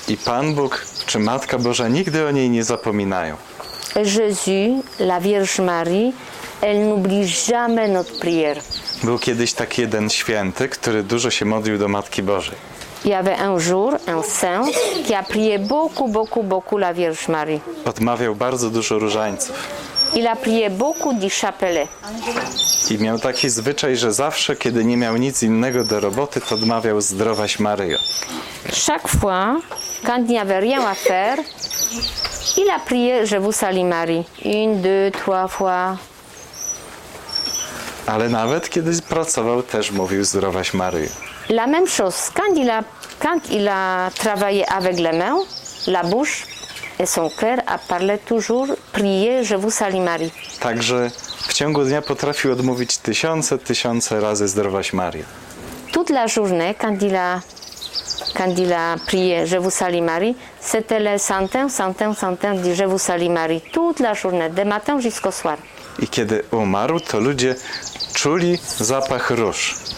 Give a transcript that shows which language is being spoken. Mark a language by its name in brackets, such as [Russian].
[Polish] I Pan Bóg, czy Matka Boża nigdy o niej nie zapominają. [French] Et Jésus, la Vierge Marie, elle n'oublie jamais notre prière. [Polish] Był kiedyś taki jeden święty, który dużo się modlił do Matki Bożej. [French] Il y avait un jour un saint qui a prié beaucoup, beaucoup, beaucoup la Vierge Marie. [Polish] Odmawiał bardzo dużo różańców. [French] Il a prié beaucoup du chapelet. [Polish] I miał taki zwyczaj, że zawsze, kiedy nie miał nic innego do roboty, to odmawiał Zdrowaś Maryjo. [French] Chaque fois, quand il n'y avait rien à faire, il a prié Je vous salue Marie. Une, deux, trois fois. [Polish] Ale nawet kiedy pracował, też mówił Zdrowaś Maryjo. [French] La même chose, quand il a travaillé avec les mains, la bouche et son cœur a parlé toujours, prié, je vous salue Marie. [Polish] Także w ciągu dnia potrafił odmówić tysiące, tysiące razy Zdrowaś Maria. [French] Toute la journée, quand il a prié, je vous salue Marie, c'était le centaine, dit, je vous salue Marie. Toute la journée, de matin jusqu'au soir. [Polish] I kiedy umarł, to ludzie czuli zapach róż.